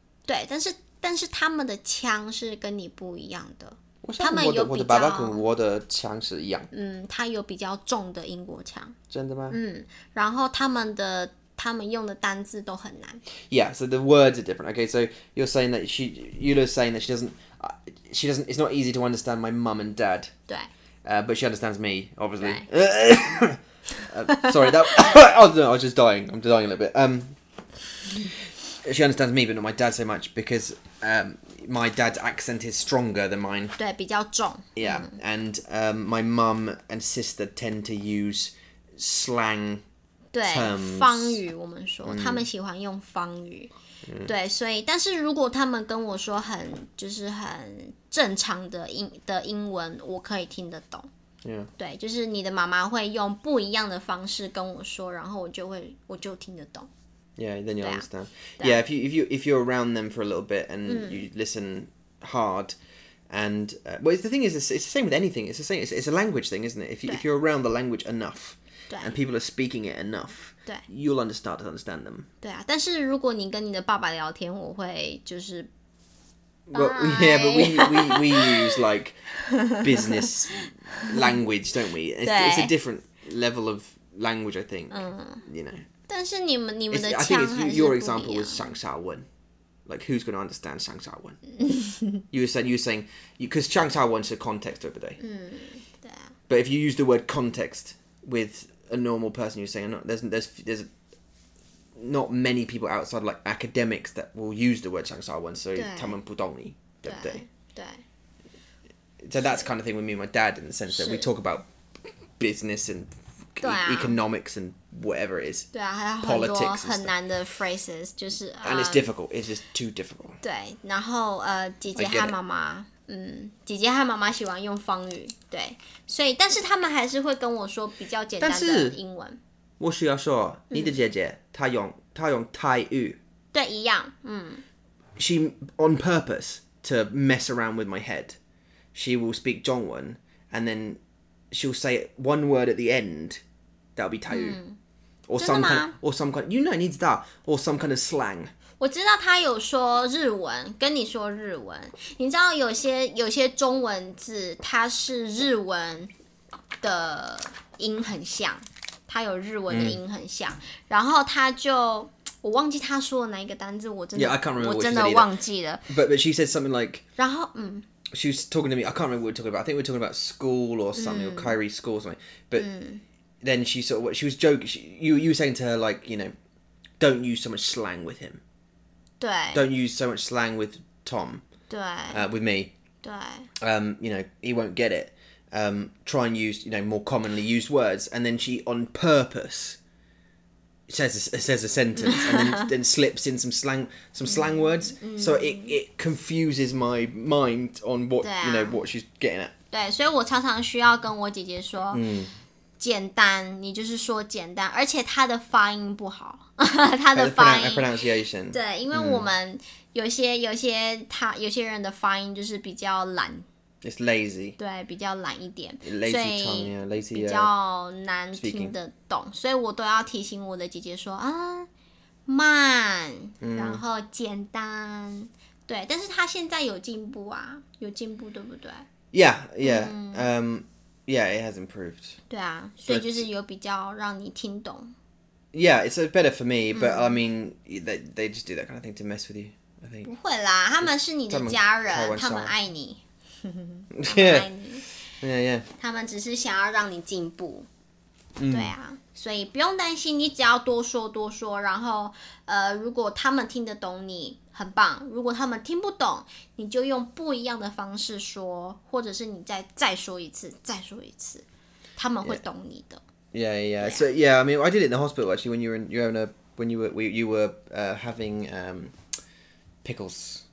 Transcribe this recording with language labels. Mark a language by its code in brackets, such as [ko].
[zh] 对，但是他们的腔是跟你不一样的。我的爸爸跟我的腔是一样。他有比较重的英国腔。真的吗？然后他们用的单字都很难。 [en] Yeah, so the words are different. Okay, so you're saying that Yula's saying that she doesn't, it's not easy to understand my mum and dad. [zh] 对。 [en] But she understands me, obviously. sorry, that, oh, no, I was just dying. I'm dying a little bit. She understands me, but not my dad so much, because my dad's accent is stronger than mine. [zh] 对, 比较重。 [en] Yeah, and my mum and sister tend to use slang, [zh] 对 [en] Terms. [zh] 方语我们说他们喜欢用方语对所以但是如果他们跟我说很就是很正常的英文我可以听得懂对，就是你的妈妈会用不一样的方式跟我说，然后我就听得懂。 [en] Yeah, then you understand. Yeah, if you're around them for a little bit and you listen hard, and well, the thing is, it's the same with anything. It's the same. It's a language thing, isn't it? If you're around the language enough, and people are speaking it enough, you'll understand them. [zh] 对啊，但是如果你跟你的爸爸聊天，我会就是。 [en] Well, yeah, but we use like business language, don't we? It's a different level of language, I think. You know. [zh] 但是你们的腔还是不一样。 [en] Your example was 上下文, like who's going to understand 上下文? you were saying, because 上下文 is a context, [zh] 对不对? 对啊。 [en] But if you use the word context with a normal person, you're saying there's not many people outside like academics that will use the word 上下文, so [zh] 他们不懂你, 对不对? 对。 [en] So that's kind of thing with me and my dad in the sense that we talk about business and. Economics and whatever it is. [zh] 对啊，还有很多很难的 phrases, 就是 [en] and it's difficult. It's just too difficult. [zh] 对，然后姐姐和妈妈，姐姐和妈妈喜欢用方语，对，所以但是他们还是会跟我说比较简单的英文。我需要说，你的姐姐她用泰语，对，一样， [en] She on purpose to mess around with my head. She will speak 中文 and then. She'll say one word at the end, that'll be 泰语, or some kind, you know, needs that, or some kind of slang. [zh] 我知道他有说日文，跟你说日文。你知道有些中文字，它是日文的音很像，它有日文的音很像，然后他就我忘记他说的哪一个单字，我真的 [en] yeah, I can't remember [zh] 我真的忘记了。 [en] But she said something like [zh] 然后 [en] She was talking to me. I can't remember what we were talking about. I think we were talking about school or something, or Kyrie school or something. But then she sort of, she was joking. You were saying to her, like, you know, don't use so much slang with him. [zh] 对. [en] Don't use so much slang with Tom. [zh] 对. [en] With me. [zh] 对. [en] You know, he won't get it. Try and use, you know, more commonly used words. And then she, on purpose, says a sentence and then slips in some slang words, so it confuses my mind on what, yeah. You know, what she's getting at. [zh] 对，所以我常常需要跟我姐姐说，简单，你就是说简单，而且她的发音不好，她的发音 [en] pronunciation. [zh] 对，因为我们有些人的发音就是比较懒。 [en] It's lazy. [zh] 对，比较懒一点。 [en] Lazy tongue, yeah. Lazy, [zh] 比较难听得懂，所以我都要提醒我的姐姐说啊，慢，然后简单。对，但是她现在有进步啊，有进步，对不对？ [en] Yeah, yeah. Yeah, it has improved. [zh] 对啊，所以就是有比较让你听懂。 [en] Yeah, it's better for me, but I mean, they just do that kind of thing to mess with you, I think. [zh] 不会啦，他们是你的家人，他们爱你。 [en] Yeah. [zh] 他们只是想要让你进步，对啊，所以不用担心，你只要多说，然后如果他们听得懂你，很棒；如果他们听不懂，你就用不一样的方式说，或者是你再说一次，他们会懂你的。 [en] Yeah. So yeah, I mean, I did it in the hospital actually when you were having pickles.